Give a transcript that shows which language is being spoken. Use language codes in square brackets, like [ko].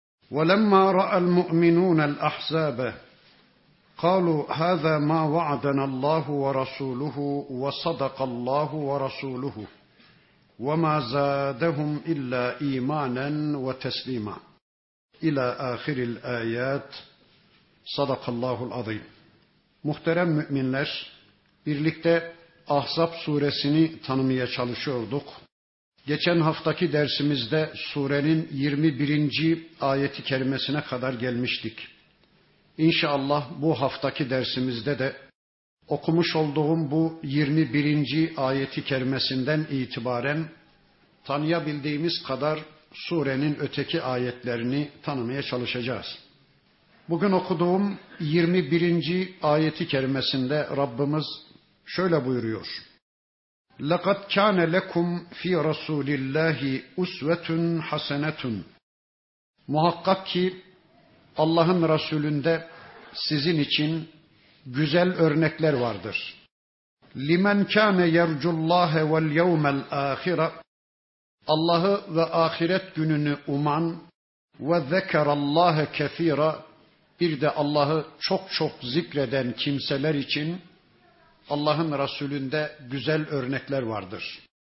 [ar] ولما رأى المؤمنون الأحزاب قالوا هذا ما وعدنا الله ورسوله وصدق الله ورسوله وما زادهم إلا إيمانا وتسليما إلى آخر الآيات صدق الله العظيم. [tr] Muhterem müminler, birlikte Ahzab suresini tanımaya çalışıyorduk. Geçen haftaki dersimizde surenin 21. ayeti kerimesine kadar gelmiştik. İnşallah bu haftaki dersimizde de okumuş olduğum bu 21. ayeti kerimesinden itibaren tanıyabildiğimiz kadar surenin öteki ayetlerini tanımaya çalışacağız. Bugün okuduğum 21. ayeti kerimesinde Rabbimiz şöyle buyuruyor: [ar] لَقَدْ كَانَ لَكُمْ فِي رَسُولِ اللّٰهِ اُسْوَةٌ حَسَنَةٌ. [tr] Muhakkak ki Allah'ın Resulünde sizin için güzel örnekler vardır. [ar] لِمَنْ كَانَ يَرْجُ اللّٰهَ وَالْيَوْمَ الْآخِرَةِ. [tr] Allah'ı ve ahiret gününü uman ve [ar] zekere Allah'ı kesira, [tr] bir de Allah'ı çok çok zikreden kimseler için Allah'ın Resulünde güzel örnekler vardır.